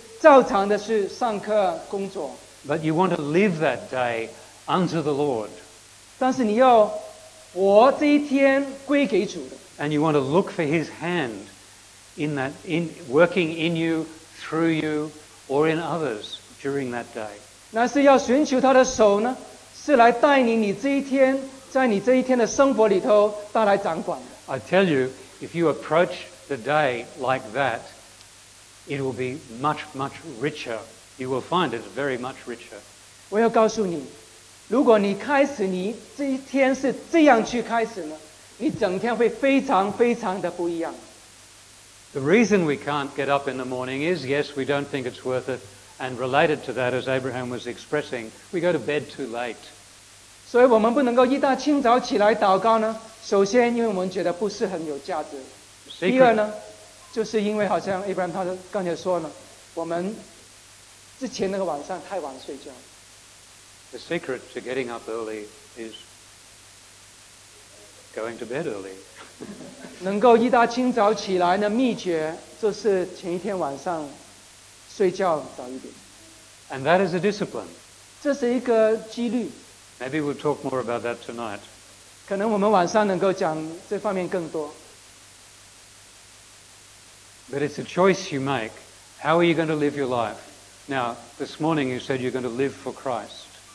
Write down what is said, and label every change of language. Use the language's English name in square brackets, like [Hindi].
[Chinese] 你没有期望有什么特别的问题或者事情发生,你都是照常的去上课工作。 [English] But you want to live that day unto the Lord. [Chinese] 但是你要活这一天归给主的。 [English] And you want to look for His hand in that, in working in you, through you, or in others during that day. [Chinese] 那是要寻求他的手呢, 是来带领你这一天,在你这一天的生活里头带来掌管的。 [English] I tell you, if you approach the day like that, it will be much, much richer. You will find it very much richer. [Chinese] 我要告诉你, 如果你开始你这一天是这样去开始呢, 你整天会非常非常的不一样。 [English] The reason we can't get up in the morning is, yes, we don't think it's worth it, and related to that, as Abraham was expressing, we go to bed too late. [Chinese] 所以我们不能够一大清早起来祷告呢, 首先因为我们觉得不是很有价值, 第二呢, 就是因为好像Abraham刚才说呢, [English] The secret to getting up early is going to bed early. [Chinese] 能够一大清早起来的秘诀就是前一天晚上睡觉早一点。 [English] And that is a discipline. [Chinese] 这是一个纪律。 [English] Maybe we'll talk more about that tonight. [Chinese] 可能我们晚上能够讲这方面更多。 [English] But it's a choice you make. How are you going to live your life? Now, this morning you said you're going to live for Christ.